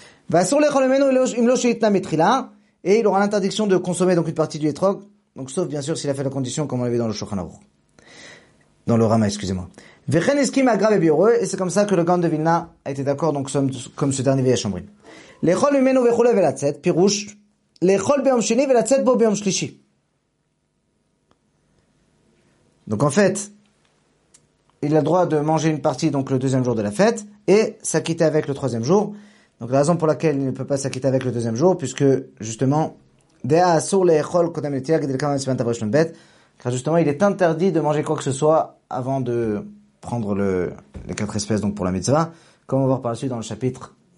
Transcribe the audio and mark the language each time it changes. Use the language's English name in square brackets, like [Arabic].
[Hebrew] ואסור לאכול ממנו אם לא שהתנה מתחילה, [French] et il aura l'interdiction de consommer donc une partie du etrog, donc sauf bien sûr s'il a fait la condition comme on l'a vu dans le Shulchan Aruch. Dans le Rama, excusez-moi. [Hebrew] וכן הסכים הגר"א ביורו, [French] et c'est comme ça que le Gaon de Vilna a été d'accord, donc comme ce dernier Vayesh Omrim. [Hebrew] לאכול ממנו וכולי ולצאת, פירוש, לאכול ביום שני ולצאת בו ביום שלישי. [French] Donc en fait, il a le droit de manger une partie donc le deuxième jour de la fête, et s'acquitter avec le troisième jour. Donc la raison pour laquelle il ne peut pas s'acquitter avec le deuxième jour, puisque justement, car justement, il est interdit de manger quoi que ce soit avant de prendre les quatre espèces donc pour la mitzvah, comme on va voir par la suite dans le chapitre